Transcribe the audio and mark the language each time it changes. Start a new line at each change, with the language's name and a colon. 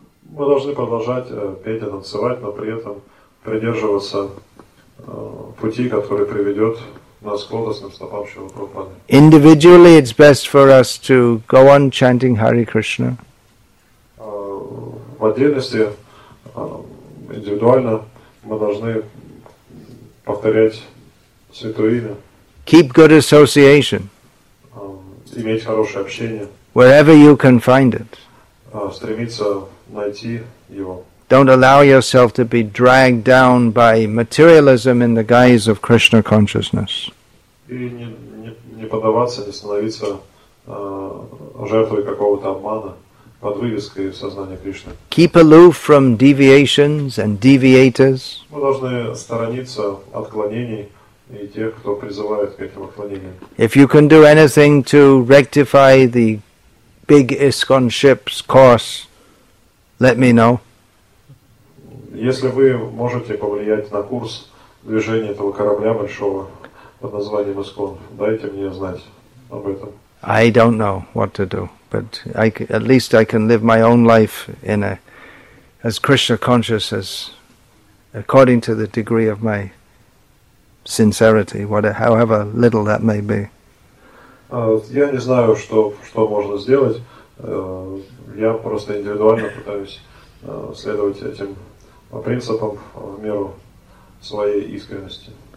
Russian: Мы должны продолжать петь и танцевать, но при этом придерживаться пути, который приведет нас к лотосным стопам Шрилы Прабхупады.
English: Individually, it's best for us to go on chanting Hare Krishna.
Russian: В отдельности, индивидуально, мы должны повторять святое имя.
English: Keep good association.
Russian: Иметь хорошее общение.
English: Wherever you can find it.
Russian: Стремиться найти его.
English: Don't allow yourself to be dragged down by materialism in the guise of Krishna consciousness.
Russian: И не поддаваться, не становиться жертвой какого-то обмана под вывеской сознания Кришны.
English: Keep aloof from deviations and deviators.
Russian: Мы должны сторониться отклонений и тех, кто призывает к этим отклонениям.
English: If you can do anything to rectify the big ISKCON ship's course, let me know.
Russian: Если вы можете повлиять на курс движения этого корабля большого под названием ISKCON, дайте мне знать об этом.
English: I don't know what to do, but I, at least I can live my own life in a as Krishna conscious as according to the degree of my sincerity, whatever, however little that may be.
Russian: Я не знаю, что можно сделать. Я просто индивидуально пытаюсь следовать этим принципам в меру своей искренности.